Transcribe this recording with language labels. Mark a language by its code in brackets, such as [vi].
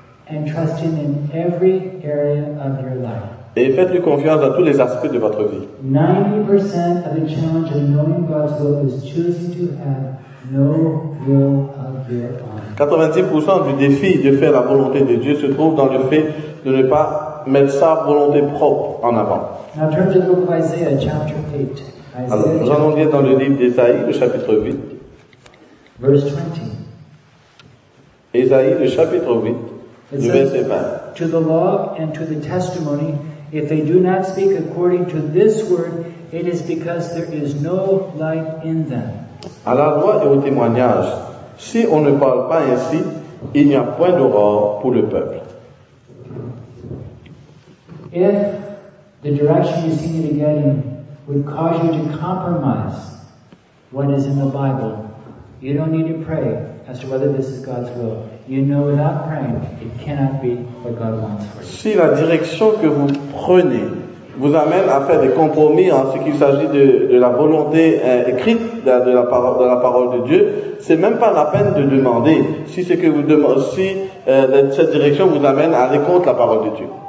[en] And trust him in every area of your life. [fr] Et faites-lui confiance dans tous les aspects de votre vie. [en] 90% of the challenge of knowing God's will is choosing to have no will of your own. [fr] 90% du défi de faire la volonté de Dieu se trouve dans le fait de ne pas mettre sa volonté propre en avant. [en] Now turn to the book of Isaiah, chapter 8. Isaiah, [fr] alors, nous allons lire dans le livre d'Ésaïe, le chapitre 8. [en] Verse 20. [fr] Ésaïe, le chapitre 8, du verset 20. [en] To the law and to the testimony, if they do not speak according to this word, it is because there is no light in them. [fr] À la loi et au témoignage, si on ne parle pas ainsi, il n'y a point d'aurore pour le peuple. [en] If the direction you seem to be getting would cause you to compromise what is in the Bible, you don't need to pray as to whether this is God's will. You know without praying, it cannot be what God wants for you. [fr] Si la direction que vous prenez vous amène à faire des compromis en ce qu'il s'agit de la volonté écrite de la parole de Dieu, c'est même pas la peine de demander si ce que vous demandez, si cette direction vous amène à aller contre la parole de Dieu.